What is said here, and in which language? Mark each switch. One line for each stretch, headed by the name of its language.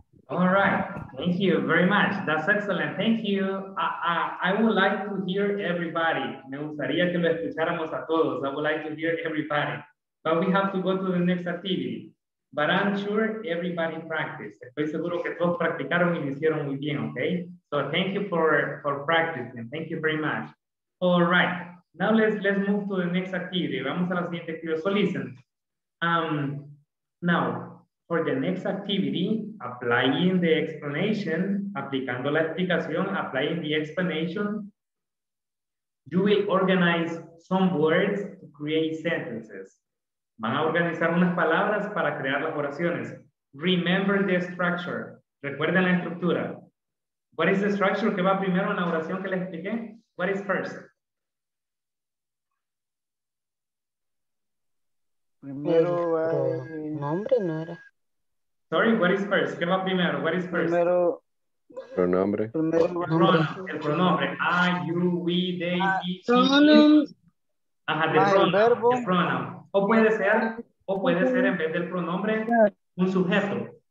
English: All right. Thank you very much. That's excellent. Thank you. I would like to hear everybody.
Spanish: Me gustaría que lo escucháramos a todos.
English: I would like to hear everybody. But we have to go to the next activity. But I'm sure everybody practiced.
Spanish: Estoy seguro que todos practicaron y lo hicieron muy bien, okay?
English: So thank you for practicing. Thank you very much. All right. Now let's move to the next activity.
Spanish: Vamos a la siguiente actividad.
English: So listen. Now, for the next activity, applying the explanation,
Spanish: aplicando la explicación,
English: applying the explanation, you will organize some words to create sentences.
Spanish: Van a organizar unas palabras para crear las oraciones.
English: Remember the structure.
Spanish: Recuerden la estructura.
English: What is the structure
Spanish: que va primero en la oración que les expliqué?
English: What is first?
Spanish: Primero va el nombre, ¿no era?
English: Sorry, what is first?
Spanish: ¿Qué va primero?
English: What is first?
Spanish: Primero. Pronombre. Primero. El pronombre.
English: I, you, we, they, it, ajá, the pronoun.
Spanish: O puede ser en vez del pronombre un sujeto.